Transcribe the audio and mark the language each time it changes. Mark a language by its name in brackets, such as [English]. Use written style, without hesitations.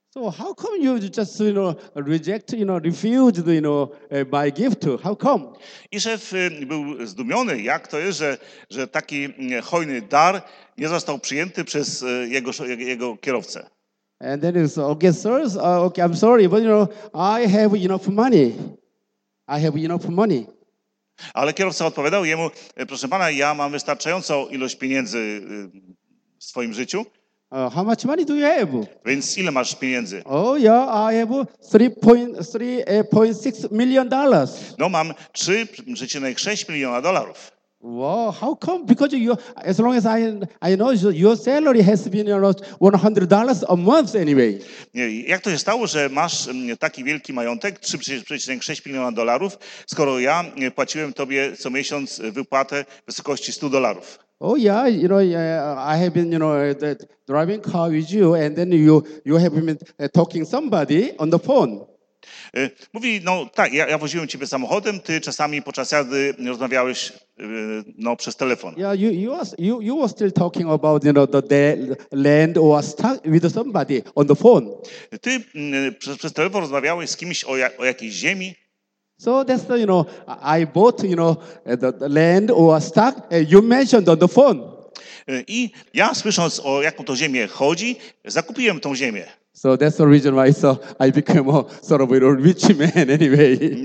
[English] So how come you just you know reject you know refuse you know my gift? How come? [Polish] I szef był zdumiony, jak to jest, że taki hojny dar nie został przyjęty przez jego kierowcę. [English] And then it's okay, sir. Okay, I'm sorry, but you know I have enough money. I have enough money. [Polish] Ale kierowca odpowiadał jemu, proszę pana, ja mam wystarczającą ilość pieniędzy w swoim życiu. [English] How much money do you have? [Polish] Więc ile masz pieniędzy? [English] Oh yeah, I have 3.6 million dollars. [Polish] No mam 3.6 miliona dolarów. [English] Wow, how come? Because you, as long as I know your salary has been around $100 a month anyway. [Polish] Nie, jak to się stało, że masz taki wielki majątek, 3.6 miliona dolarów, skoro ja płaciłem tobie co miesiąc wypłatę w wysokości $100? [English] Oh yeah, you know, I have been, you know, driving car with you, and then you have been talking somebody on the phone. [Polish] Mówi, no tak, ja woziłem ciebie samochodem, ty czasami podczas jazdy rozmawiałeś no, przez telefon. [English] Yeah, you were still talking about you know the land or stuck with somebody on the phone. [Polish] Ty przez telefon rozmawiałeś z kimś o jakiejś ziemi. [English] So that's the, you know, I bought you know the land or stuck you mentioned on the phone. [Polish] I ja słysząc o jaką to ziemię chodzi, zakupiłem tą ziemię. [English] So that's the reason why I became a sort of a rich man anyway.